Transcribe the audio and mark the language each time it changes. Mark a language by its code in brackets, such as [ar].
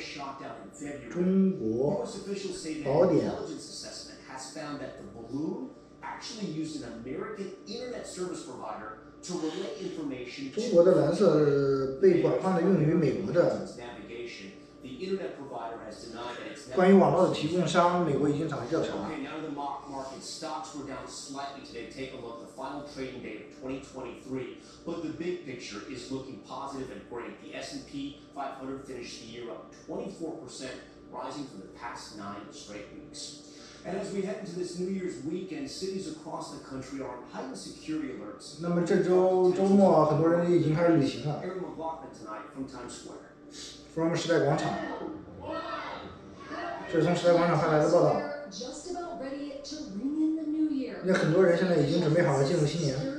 [en] shot down in February. U.S. officials say that an intelligence assessment has found that the balloon actually used an American internet service provider to relay information to the intelligence navigation. The internet provider has denied that it's not. [zh] 关于网络的提供商，美国已经展开调查了。 [en] Okay, now the market stocks were down slightly today. Take a look at the final trading day of 2023. But the big picture is looking positive and great. The S&P 500 finished the year up 24%, rising for the past 9 straight weeks. And as we head into this New Year's weekend, cities across the country are on heightened security alerts. [zh] 那么这周末很多人已经开始旅行了。 [en] Aaron McLaughlin tonight from Times Square. From [zh] 时代广场。这是从时代广场发来的报道。 [en] Just about ready to ring in the New Year. [zh] 那很多人现在已经准备好了进入新年。